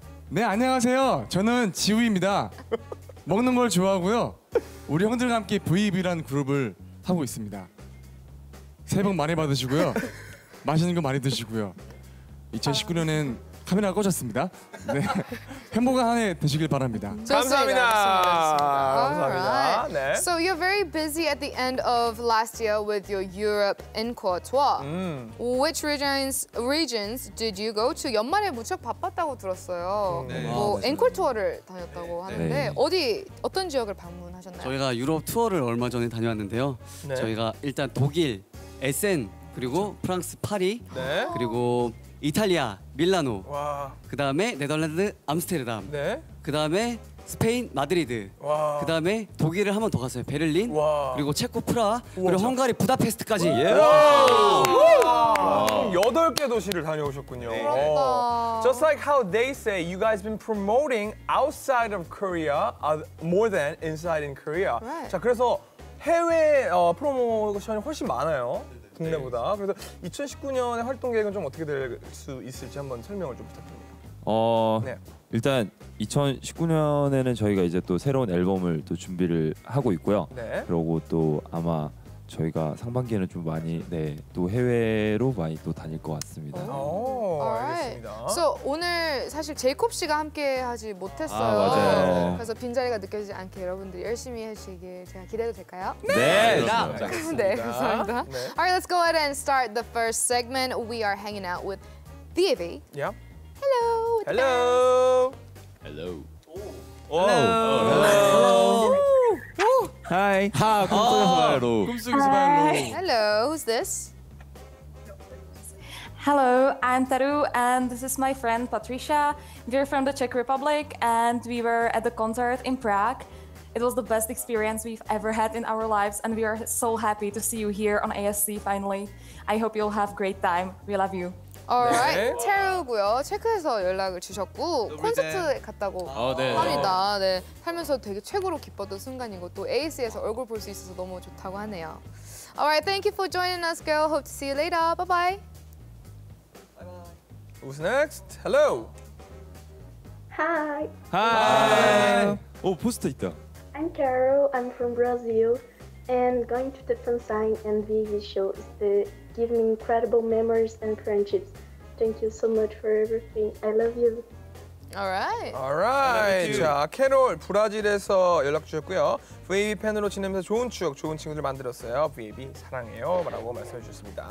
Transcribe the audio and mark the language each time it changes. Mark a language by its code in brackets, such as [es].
[ko] 네, 안녕하세요. 저는 지우입니다. 먹는 걸 좋아하고요. 우리 형들과 함께 VAV라는 그룹을 하고 있습니다. 새해 복 많이 받으시고요. 맛있는 거 많이 드시고요. 2019년엔 카메라 꺼졌습니다. 네. 행복한 한 해 되시길 바랍니다. 감사합니다. 감사합니다. Right. 네. [en] So you're very busy at the end of last year with your Europe Inco tour. Which regions did you go to? [ko] 연말에 무척 바빴다고 들었어요. 네. 뭐 Inco 아, 투어를 다녔다고 네. 하는데 네. 어디 어떤 지역을 방문하셨나요? 저희가 유럽 투어를 얼마 전에 다녀왔는데요. 네. 저희가 일단 독일 SN 그리고 그렇죠. 프랑스 파리 네. 그리고 이탈리아 밀라노, 와. 그다음에 네덜란드 암스테르담, 네. 그다음에 스페인 마드리드, 와. 그다음에 독일을 한 번 더 갔어요. 베를린, 와. 그리고 체코 프라, 그리고 헝가리 부다페스트까지. 와. 예. 와. 와. 여덟 개 도시를 다녀오셨군요. 네. 그렇다. [en] Just like how they say, you guys been promoting outside of Korea more than inside in Korea. Right. [ko] 자, 그래서 해외 프로모션이 훨씬 많아요. 국내보다. 네. 그래서 2019년의 활동 계획은 좀 어떻게 될 수 있을지 한번 설명을 좀 부탁드립니다. 네. 일단 2019년에는 저희가 이제 또 새로운 앨범을 또 준비를 하고 있고요. 네. 그리고 또 아마 저희가 상반기에는 좀 많이 네, 또 해외로 많이 또 다닐 것 같습니다. 오, 알겠습니다. [en] Right. [ko] So, 오늘 사실 제이콥 씨가 함께 하지 못했어요. 아, 맞아요. 그래서 빈자리가 느껴지지 않게 여러분들이 열심히 해주시길 제가 기대도 될까요? 네! 네, 감사합니다. 네, 감사합니다. 네. [en] Alright, let's go ahead and start the first segment. We are hanging out with VAV. Yeah. Hello! Hello! Hello! Oh. Hello. Hello. Hello. Hi. Hi. Hi. Hello. Who's this? Hello. I'm Taru, and this is my friend Patricia. We're from the Czech Republic, and we were at the concert in Prague. It was the best experience we've ever had in our lives, and we are so happy to see you here on ASC finally. I hope you'll have a great time. We love you. [ko] Alright, 네. 테루고요. 체크에서 연락을 주셨고 콘서트 갔다고 합니다. 네, 살면서 되게 최고로 기뻤던 순간이고 또 AC에서 얼굴 볼 수 있어서 너무 좋다고 하네요. [en] Alright, thank you for joining us, girl. Hope to see you later. Bye bye. Bye bye. Who's next? Hello. Hi. Hi. Hi. [ko] Oh, 포스터 있다. [en] I'm Carol. I'm from Brazil. And going to the Fansign and VAV show is the give me incredible memories and friendships. Thank you so much for everything. I love you. Alright. Alright. [ko] 자, 캐롤 브라질에서 연락 주셨고요. VAV 팬으로 지내면서 좋은 추억, 좋은 친구들 만들었어요. VAV 사랑해요. 라고 말씀해 주셨습니다.